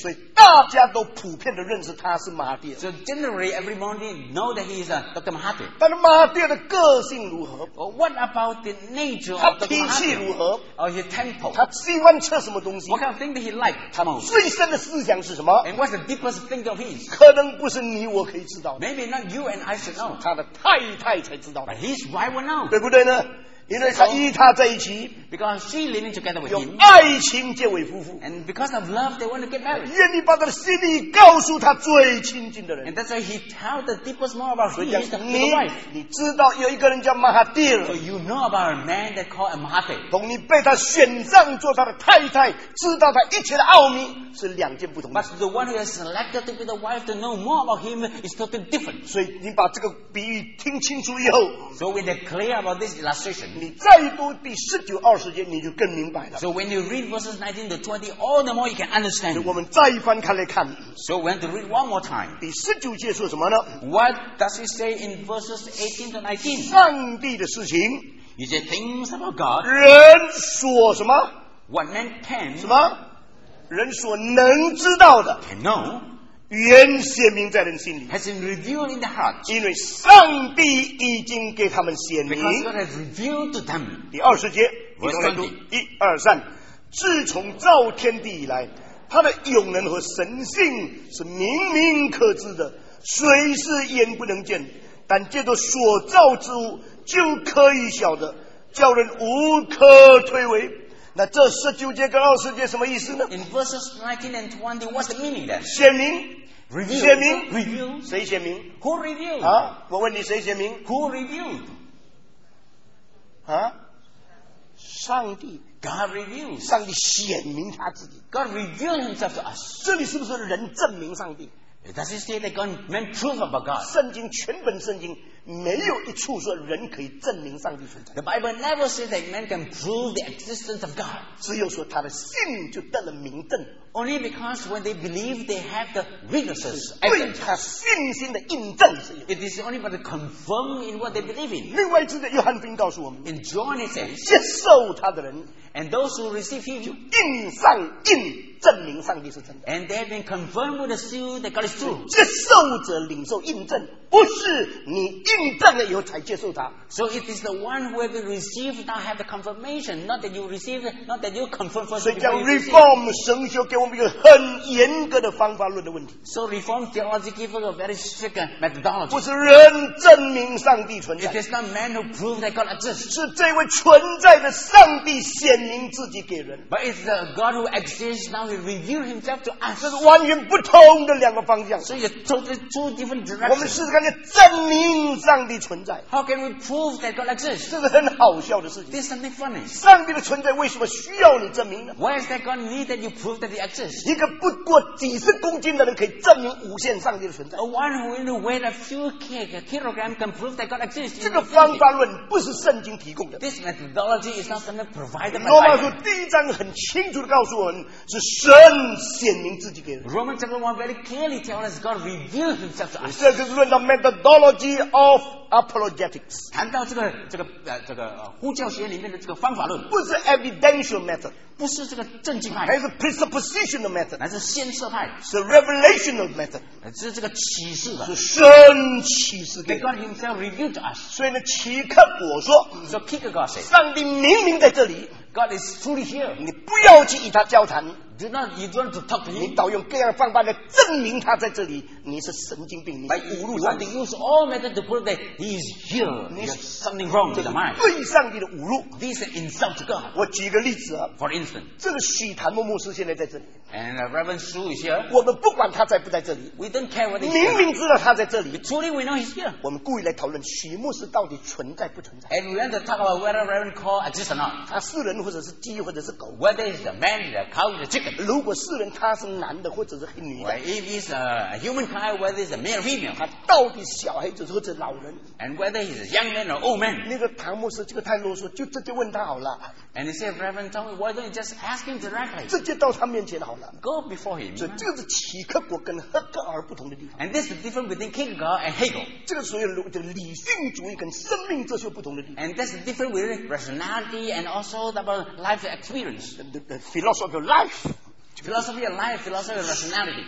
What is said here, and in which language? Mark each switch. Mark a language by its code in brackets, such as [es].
[zh] 所以大家都普遍的认识他是马哈蒂。 [en] So generally, every morning, know that he is a Dr. Mahathir. [zh] 但马哈蒂的个性如何？ [en] What about the nature of Dr. Mahathir? [zh] 他脾气如何？ [en] Or his temper? [zh] 他喜欢吃什么东西？ [en] What kind of thing that he like? [zh] 他最深的思想是什么？ [en] And what's the deepest thing of his? [zh] 可能不是你我可以知道的。 [en] Maybe not you and I should know. [zh] 他的太太才知道。 [en] But his wife will know. [zh] 对不对呢？因为他与他在一起 [en] because she living together with him, [zh] 用爱情结为夫妇 [en] and because of love they want to get married [zh] 愿意把他的心里告诉他最亲近的人 [en] and that's why he tells the deepest more about his wife [zh] 你知道有一个人叫 Mahathir [en] so you know about a man that called Mahathir [zh] 同你被他选上做他的太太知道他一切的奥秘是两件不同的 [en] but the one who has selected to be the wife to know more about him is totally different [zh] 所以你把这个比喻听清楚以后 [en] so when they're clear about this illustration [zh] 你再读第十九二十节，你就更明白了。 [en] So when you read verses 19 to 20, all the more you can understand. [zh] 我们再翻开来看。 [en] So we have to read one more time. [zh] 第十九节说什么呢？ [en] What does it say in verses 18 to 19? [zh] 上帝的事情。 [en] You say things about God. [zh] 人所什么？ [en] What man can? [zh] 什么？人所能知道的。 [en] Can know. [zh] 原显明在人心里 [en] has been revealed in the heart [zh] 因为上帝已经给他们显明 [en] because God has revealed to them [zh] 第二十节 [en] verse 20 [zh] 一二三自从造天地以来他的永能和神性是明明可知的虽是眼不能见但借着所造之物就可以晓得叫人无可推诿那这十九节跟二十节什么意思呢 [en] ？In verses 19 and 20, what's the meaning there? [zh] 显明 [en] ，reveal， [zh] 显明 [en] ，reveal， [zh] 谁显明 [en] ？Who revealed？ [zh] 啊，我问你谁显明 [en] ？Who revealed？ [zh] 啊，上帝 [en] ，God revealed， [zh] 上帝显明他自己 [en] ，God revealed himself to us。 [zh] 这里是不是人证明上帝 [en] ？Does it say that God meant proof about God？ [zh] 圣经全本圣经。没有一处说人可以证明上帝存在。 [en] The Bible never says that man can prove the existence of God. [zh] 只有说他的信就得了明证。 [en] Only because when they believe they have the witnesses. [zh] 对他信心的印证是有。 [en] It is only by the confirm in what they believe in. [zh] 另外一个约翰福音告诉我们。 [en] In John it says, [zh] 接受他的人。 [en] And those who receive him, [zh] 就印上印证明上帝是真的。 [en] And they have been confirmed with the seal that God is true. [zh] 接受者领受印证。不是你印证了以后才接受他。 [en] So it is the one who have received not have the confirmation, not that you receive, not that you confirm first. [zh] 所以叫 reform 神学给我们一个很严格的方法论的问题。 [en] So reform theology give us a very strict methodology. [zh] 不是人证明上帝存在。 [en] It is not man who prove that God exists. [zh] 是这位存在的上帝显明自己给人。 [en] But it's the God who exists now he reveal himself to us. [zh] 这是完全不同的两个方向。 [en] So it's totally two different directions. [zh] 看见证明上帝存在 [en] How can we prove that God exists? [zh] 这是很好笑的事情 [en] This is something funny [zh] 上帝的存在为什么需要你证明呢 [en] Why is that God need that you prove that he exists? [zh] 一个不过几十公斤的人可以证明无限上帝的存在 [en] A one who only weighs a few kilograms can prove that God exists [zh] 这个方法论不是圣经提供的 [en] This methodology is not something provided by [zh] God 罗马书第一章很清楚地告诉我们是神显明自己给人 [en] Romans chapter 1 very clearly tells us God reveals himself to us [zh] 这就是论到 [en] methodology of apologetics [zh] 谈到这个呼叫学里面的这个方法论不是 [en] evidential method [zh] 不是这个证据派还是 [en] presuppositional method [zh] 还是先设派是 [en] revelational method [zh] 是这个启示的是神启示给 [en] God himself revealed to us [zh] 所以呢奇克果说 [en] so Kierkegaard said [zh] 上帝明明在这里 [en] God is truly here [zh] 你不要去与他交谈 [en] Do not, you don't to talk to him. [zh] 你倒用各样方法来证明他在这里，你是神经病，你误入上帝。 [en] You use all methods to prove that he is here. You have something wrong with the mind. [zh] 对上帝的误入。 [en] This is insult to God. [zh] 我举个例子啊。 [en] For instance, [zh] 这个许坛默牧师现在在这里。 [en] And Reverend Su is here. [zh] 我们不管他在不在这里。 [en] We don't care whether. [zh] 明明知道他在这里。 [en] Truly, we know he's here. [zh] 我们故意来讨论许牧师到底存在不存在。 [en] And we want to talk about whether Reverend Call exists or not. [zh] 他是人或者是鸡或者是狗。 [en] Whether he's a man, a cow, a chicken. [zh] 如果世人他是男的或者是女的 [en] if he's a humankind whether he's a male or female [zh] 他到底小孩子或者老人 [en] and whether he's a young man or old man [zh] 那个唐牧师这个探路说就直接问他好了 [en] and he said Reverend Tom why don't you just ask him directly [zh] 直接到他面前好了 [en] go before him [zh] 这就是启克果跟赫格尔不同的地方 [en] and this is the difference between Kierkegaard and Hegel [zh] 这个所谓的理性主义跟生命哲学不同的地方 [en] and that's the difference between rationality and also about life experience the philosophy of life philosophy of life, philosophy of rationality.